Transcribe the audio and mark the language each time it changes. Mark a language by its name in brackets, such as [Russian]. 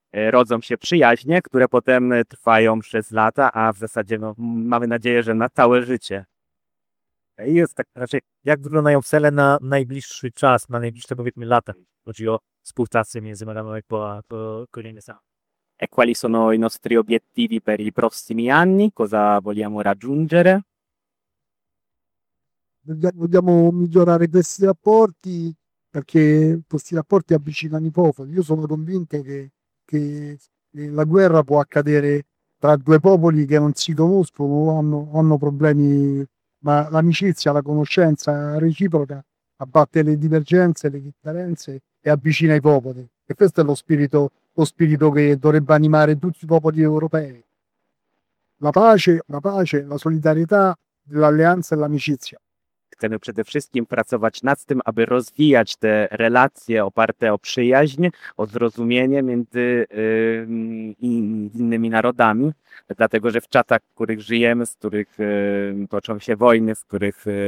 [Polish] Rodzą się przyjaźnie, które potem trwają przez lata, a w zasadzie no, mamy nadzieję, że na całe życie. I jest tak, raczej jak wyglądają cele na najbliższy czas, na najbliższe powiedzmy lata? Chodzi o współpracę między Marano Epo a Kozienicami. [Italian] E quali sono i nostri obiettivi per i prossimi anni? Cosa vogliamo raggiungere? Vogliamo migliorare questi rapporti, perché questi rapporti avvicinano i popoli. Io sono convinto che la guerra può accadere tra due popoli che non si conoscono o hanno problemi, ma l'amicizia, la conoscenza reciproca abbatte le divergenze, le differenze e avvicina i popoli. E questo è lo spirito che dovrebbe animare tutti i popoli europei. La pace, la solidarietà, l'alleanza e l'amicizia. [Polish] Chcemy przede wszystkim pracować nad tym, aby rozwijać te relacje oparte o przyjaźń, o zrozumienie między innymi narodami, dlatego że w czasach, w których żyjemy, z których toczą się wojny, w których